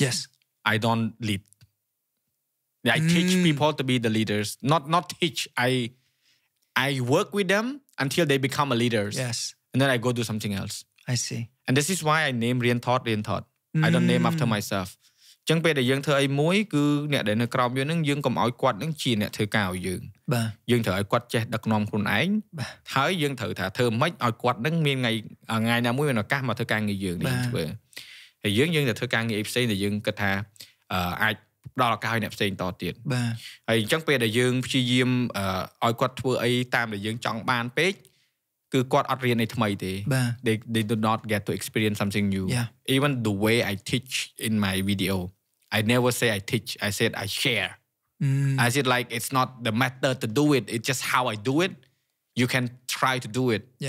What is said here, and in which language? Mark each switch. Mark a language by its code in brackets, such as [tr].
[en] Yes. I don't lead. I teach people to be the leaders. Not teach. I work with them until they become a leader. Yes. And then I go do something else. I see. And this is why I name Rean Thort. I don't name after myself. [km] ចឹងពេលដែលយើងធ្វើអីមួយគឺអ្នកដែលនៅក្រោមយើងហ្នឹងយើងកុំឲ្យគាត់ហ្នឹងជាអ្នកធ្វើការឲ្យយើង បា ទយើងត្រូវឲ្យគាត់ចេះដឹកនាំខ្លួនឯងហើយយើងត្រូវថាធ្វើម៉េចឲ្យគាត់ហ្នឹងមានថ្ងៃណាមួយមានឱកាសមកធ្វើការងារយើងនេះធ្វើហើយយើងតែធ្វើការងារឯផ្សេងតែយើងគិតថាអាចផ្ដល់ឱកាសឲ្យអ្នកផ្សេងតទៀតបាទ ហើយអញ្ចឹងពេលដែលយើងព្យាយាមឲ្យគាត់ធ្វើអីតាមដែលយើងចង់បានពេកគឺគាត់អត់រៀនអីថ្មីទេ [en] they do not get to experience something new even the way I teach in my video I never say I teach I said I share I said like it's not the matter to do it it's just how I do it you can try to do it